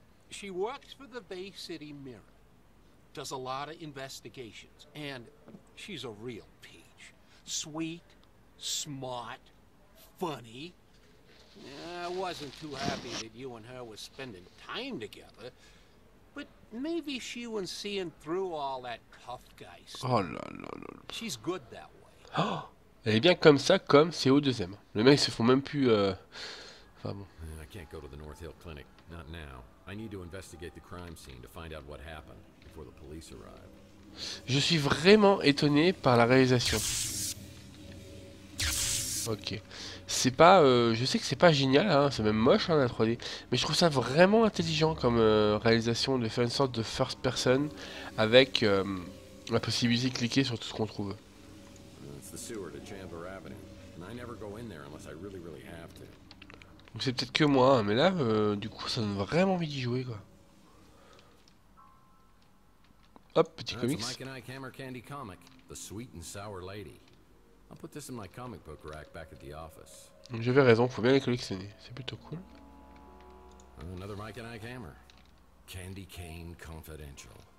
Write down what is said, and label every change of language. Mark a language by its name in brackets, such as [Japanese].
[English] She works for the Bay City Mirror, does a lot of investigations, and she's a real peach. Sweet, smart, funny. I wasn't too happy that you and her were spending time together, but maybe she was seeing through all that tough guy stuff. [French] Oh là là là. [English] She's good that way. [French] Oh, elle est bien comme ça, comme c'est au deuxième. Les mecs se font même plus. Enfin bon. [English] I can't go to the North Hill Clinic, not now. I need to investigate the crime scene to find out what happened before the police arrive. [French] Je suis vraiment étonné par la réalisation. Ok. C'est pas... je sais que c'est pas génial, hein, c'est même moche, hein, la 3D. Mais je trouve ça vraiment intelligent comme réalisation de faire une sorte de first person avec la possibilité de cliquer sur tout ce qu'on trouve. Donc c'est peut-être que moi, hein, mais là, du coup, ça donne vraiment envie d'y jouer, quoi. Hop, petit comics. C'est Mike et moi, [English] Hammer Candy Comic, The Sweet and Sour Lady. I'll put this in my comic book rack back at the office. [French] J'avais raison, faut bien les collectionner. C'est plutôt cool. [English] Another Mike and Ike hammer. Candy cane confidential.